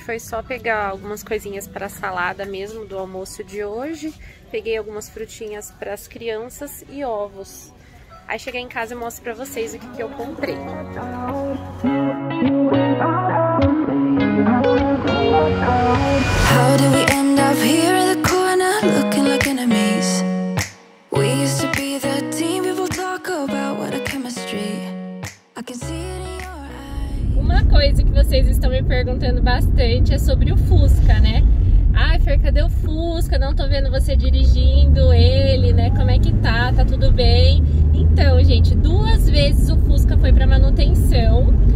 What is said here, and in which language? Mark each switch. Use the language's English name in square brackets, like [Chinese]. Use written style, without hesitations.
[Portuguese] Foi só pegar algumas coisinhas para a salada mesmo do almoço de hoje. Peguei algumas frutinhas para as crianças e ovos. Aí cheguei em casa e mostro pra vocês o que eu comprei. [English] How do we end up here in the corner looking like enemies? We used to be the team, people talk about what a chemistry. I can see it in your eyes. [Portuguese] Uma coisa que vocês estão me perguntando bastante é sobre o Fusca, né? Ai, Fer, cadê o Fusca? Não tô vendo você dirigindo ele, né? Como é que tá? Tá tudo bem? Então, gente, duas vezes o Fusca foi pra manutenção.